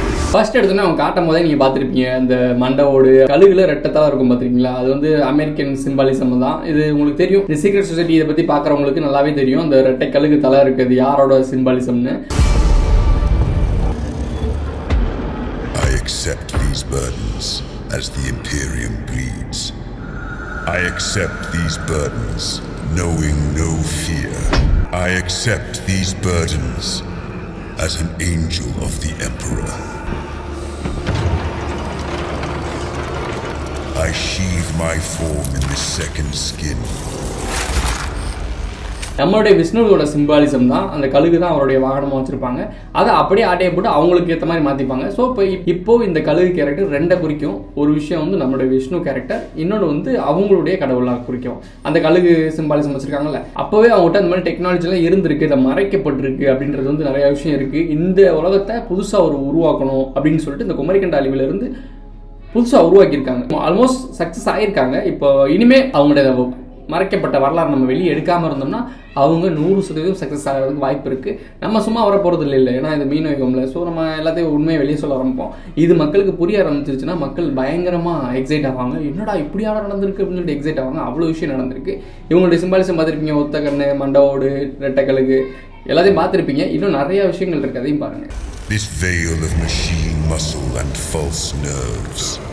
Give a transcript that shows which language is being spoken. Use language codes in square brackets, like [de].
[ta] First எடுத்தோடனே அவங்க காட்டும் போதே நீங்கள் பார்த்துருப்பீங்க, இந்த மண்டவோடு கழுகுல ரெட்டத்தான் இருக்கும் பார்த்துருக்கீங்களா, அது வந்து அமெரிக்கன் சிம்பாலிசம் தான். இது உங்களுக்கு தெரியும், இந்த சீக்ரெட் சொசைட்டி இதை பற்றி பார்க்குறவங்களுக்கு நல்லாவே தெரியும், அந்த ரெட்டை கழுகு தலை இருக்குது யாரோட சிம்பாலிசம்னு. [en] I accept these burdens as the Imperium bleeds. I accept these burdens knowing no fear. I accept these burdens as an angel of the Emperor. I sheathe my form in this second skin. [ta] நம்மளுடைய விஷ்ணுவோட symbolism தான் அந்த கழுகு, தான் அவருடைய வாகனமாக வச்சிருப்பாங்க. அதை அப்படியே ஆட்டைய போட்டு அவங்களுக்கு ஏற்ற மாதிரி மாற்றிப்பாங்க. ஸோ இப்போ இப்போ இந்த கழுகு கேரக்டர் ரெண்டை குறிக்கும். ஒரு விஷயம் வந்து நம்மளுடைய விஷ்ணு கேரக்டர், இன்னொன்று வந்து அவங்களுடைய கடவுளாக குறிக்கும். அந்த கழுகு சிம்பாலிசம் வச்சுருக்காங்கல்ல, அப்போவே அவங்ககிட்ட அந்த மாதிரி டெக்னாலஜிலாம் இருந்திருக்கு, இதை மறைக்கப்பட்டிருக்கு அப்படின்றது வந்து நிறையா விஷயம் இருக்குது. இந்த உலகத்தை புதுசாக அவர் உருவாக்கணும் அப்படின்னு சொல்லிட்டு இந்த குமரிக்கண்ட அழிவிலிருந்து புதுசாக உருவாக்கியிருக்காங்க. ஆல்மோஸ்ட் சக்ஸஸ் ஆகியிருக்காங்க. இப்போ இனிமேல் அவங்களுடைய மறைக்கப்பட்ட வரலாறு நம்ம வெளியே எடுக்காமல் இருந்தோம்னா அவங்க 100% சக்ஸஸ் ஆகிறதுக்கு வாய்ப்பு இருக்குது. நம்ம சும்மா வர போகிறது இல்லை, ஏன்னா இது மீன் வைக்கோம்ல. ஸோ நம்ம எல்லாத்தையும் உண்மையை வெளியே சொல்ல ஆரம்பிப்போம். இது மக்களுக்கு புரிய ஆரம்பிச்சிருச்சுன்னா மக்கள் பயங்கரமாக எக்ஸைட் ஆவாங்க, என்னடா இப்படியாவது நடந்திருக்கு அப்படின்னு எக்ஸைட் ஆவாங்க. அவ்வளோ விஷயம் நடந்திருக்கு. இவங்களுடைய சிம்பாலிசம் பார்த்துருப்பீங்க, ஒத்தக்கண்ணு மண்டவோடு ரெட்டக்கழுகு எல்லாத்தையும் பார்த்துருப்பீங்க. இன்னும் நிறையா விஷயங்கள் இருக்குது, அதையும் பாருங்கள். [en] This veil of machine muscle and false nerves.